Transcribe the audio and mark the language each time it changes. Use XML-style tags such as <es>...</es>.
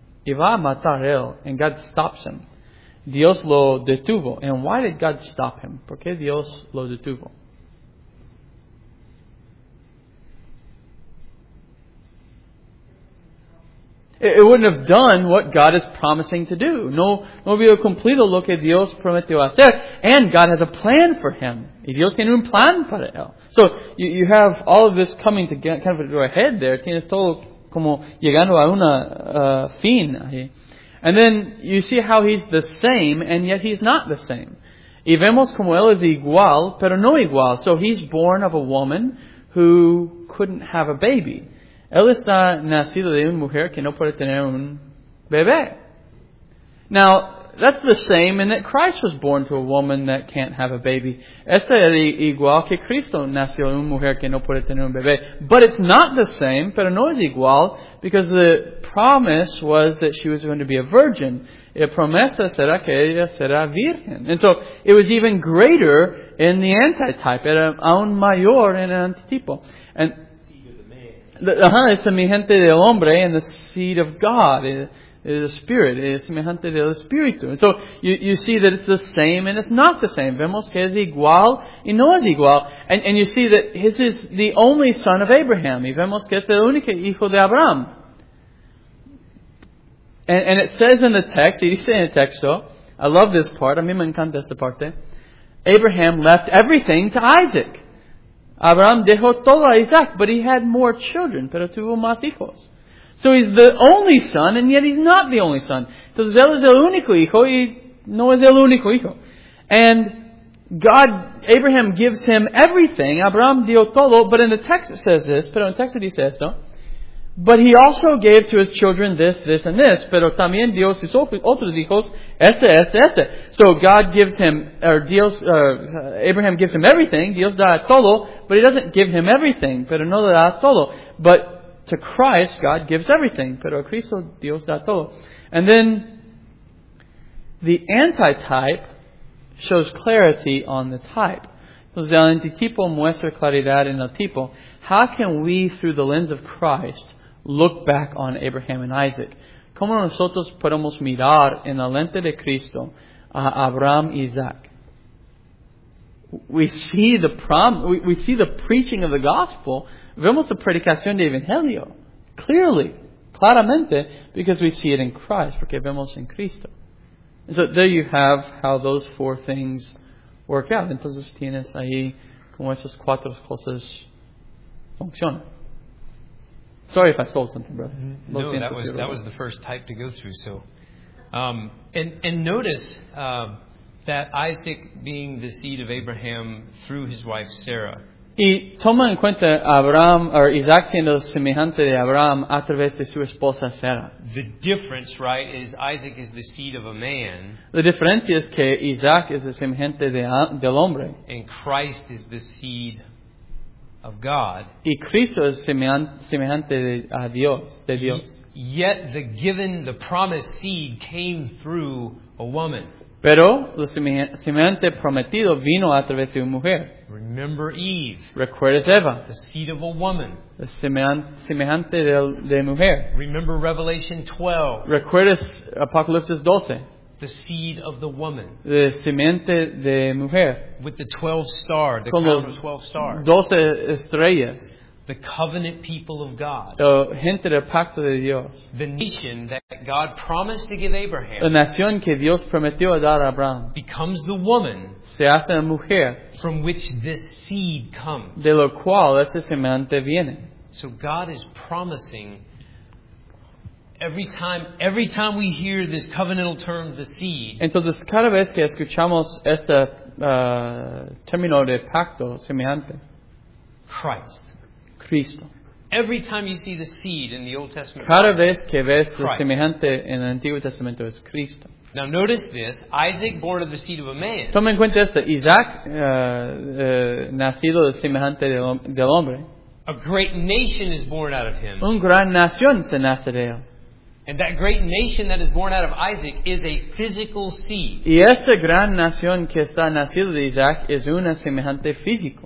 <es>Y va a matar él.</es> <en>And God stops him.</en> <es>Dios lo detuvo.</es> <en>And why did God stop him?</en> <es>¿Por qué Dios lo detuvo?</es> <en>It wouldn't have done what God is promising to do.</en> <es>No hubiera cumplido lo que Dios prometió hacer.</es> <en>And God has a plan for him.</en> <es>Y Dios tiene un plan para él.</es> <en>So you have all of this coming to get kind of to a head there.</en> <es>Tienes todo como llegando a una fin ahí.</es> <en>And then you see how he's the same, and yet he's not the same.</en> <es>Y vemos como él es igual, pero no igual.</es> <en>So he's born of a woman who couldn't have a baby.</en> <es>Él está nacido de una mujer que no puede tener un bebé.</es> <en>Now, that's the same in that Christ was born to a woman that can't have a baby.</en> <es>Esa es igual que Cristo nació de una mujer que no puede tener un bebé.</es> <en>But it's not the same,</en> <es>pero no es igual,</es> <en>because the promise was that she was going to be a virgin.</en> <es>La promesa será que ella será virgen.</es> <en>And so, it was even greater in the antitype.</en> <es>Era aún mayor en el antitipo. And es semejante del hombre</es> <en>and the seed of God is the spirit,</en> <es>es semejante del espíritu.</es> <en>So you see that it's the same and it's not the same.</en> <es>Vemos que es igual y no es igual.</es> <en>And you see that his is the only son of Abraham.</en> <es>Y vemos que es el único hijo de Abraham.</es> <en>And it says in the text,</en> <es>y dice en el texto,</es> <en>I love this part,</en> <es>a mí me encanta esta parte,</es> <en>Abraham left everything to Isaac.</en> <es>Abraham dejó todo a Isaac,</es> <en>but he had more children,</en> <es>pero tuvo más hijos.</es> <en>So he's the only son, and yet he's not the only son.</en> <es>Entonces él es el único hijo, y no es el único hijo.</es> <en>And God, Abraham gives him everything,</en> <es>Abraham dio todo,</es> <en>but in the text it says this,</en> <es>pero en el texto dice esto,</es> <en>but he also gave to his children this, this, and this,</en> <es>pero también dio sus otros hijos, este, este,</es> <en>este. So God gives him, Abraham gives him everything,</en> <es>Dios da todo,</es> <en>but he doesn't give him everything,</en> <es>pero no da todo.</es> <en>But to Christ, God gives everything,</en> <es>pero a Cristo, Dios da todo.</es> <en>And then, the antitype shows clarity on the type.</en> <es>Entonces el antitipo muestra claridad en el tipo.</es> <en>How can we, through the lens of Christ, look back on Abraham and Isaac?</en> <es>¿Cómo nosotros podemos mirar en la lente de Cristo a Abraham y Isaac?</es> <en>We see the preaching of the gospel.</en> <es>Vemos la predicación del Evangelio.</es> <en>Clearly.</en> <es>claramente</es> <en>because we see it in Christ,</en> <es>porque vemos en Cristo.</es> <en>And so there you have how those four things work out.</en> <es>Entonces tienes ahí como esas cuatro cosas funcionan.</es> <en>Sorry if I stole something, brother. No, that was the first type to go through. So, and notice that Isaac being the seed of Abraham through his wife Sarah.</en> <es>Y toma en cuenta Abraham or Isaac siendo semejante de Abraham a través de su esposa Sarah.</es> <en>The difference, right, is Isaac is the seed of a man.</en> <es>La diferencia es que Isaac es semejante del hombre.</es> <en>And Christ is the seed of God.</en> <es>Y Cristo es semejante a Dios, de Dios.</es> <en>Yet the promised seed came through a woman.</en> <es>Pero la semejante prometido vino a través de una mujer.</es> <en>Remember Eve.</en> <es>¿Recuerdas Eva?</es> <en>The seed of a woman.</en> <es>La semejante de mujer.</es> <en>Remember Revelation 12.</en> <es>¿Recuerdas Apocalipsis 12?</es> <en>The seed of the woman.</en> <es>La semente de mujer.</es> <en>With the 12 stars. The crown of 12 stars.</en> <es>12 estrellas.</es> <en>The covenant people of God.</en> <es>La gente del pacto de Dios.</es> <en>The nation that God promised to give Abraham.</en> <es>La nación que Dios prometió a dar a Abraham.</es> <en>Becomes the woman.</en> <es>Se hace la mujer.</es> <en>From which this seed comes.</en> <es>De lo cual esa semente viene.</es> <en>So God is promising. Every time we hear this covenantal term, the seed.</en> <es>Entonces cada vez que escuchamos este término de pacto semejante.</es> <en>Christ.</en> <es>Cristo.</es> <en>Every time you see the seed in the Old Testament.</en> <es>Cada vez que ves lo semejante en el Antiguo Testamento es Cristo.</es> <en>Now notice this: Isaac, born of the seed of a man.</en> <es>Toma en cuenta esto: Isaac, nacido de semejante del hombre.</es> <en>A great nation is born out of him.</en> <es>Un gran nación se nace de él.</es> <en>And that great nation that is born out of Isaac is a physical seed.</en> <es>Y esta gran nación que está nacida de Isaac es una semejante físico.</es>